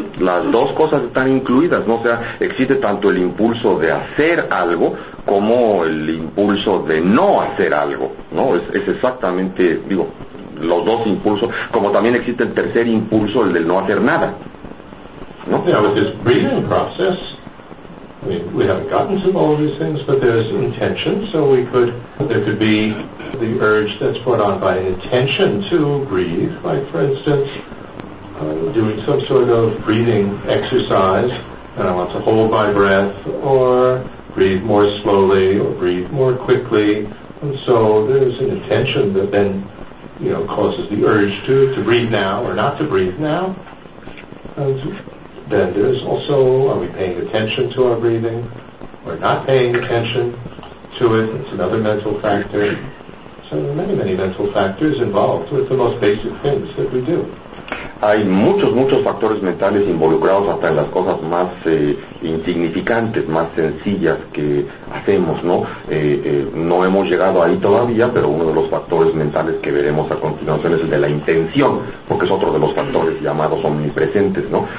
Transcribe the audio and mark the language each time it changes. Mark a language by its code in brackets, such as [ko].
[es] Las dos cosas están incluidas, ¿no? O sea, existe tanto el impulso de hacer algo como el impulso de no hacer algo, ¿no? Es exactamente, digo, los dos impulsos, como también existe el tercer impulso, el del no hacer nada, ¿no? [en] Yeah, with this breathing process, I mean, we haven't gotten to all these things, but there's intention, so there could be the urge that's put on by intention to breathe, like for instance, doing some sort of breathing exercise, and I want to hold my breath, or breathe more slowly, or breathe more quickly, and so there's an intention that then, you know, causes the urge to breathe now or not to breathe now. And then there's also, are we paying attention to our breathing or not paying attention to it? It's another mental factor. So there are many, many mental factors involved with the most basic things that we do. [es] Hay muchos, muchos factores mentales involucrados hasta en las cosas más insignificantes, más sencillas que hacemos, ¿no? No hemos llegado ahí todavía, pero uno de los factores mentales que veremos a continuación es el de la intención, porque es otro de los factores llamados omnipresentes, ¿no?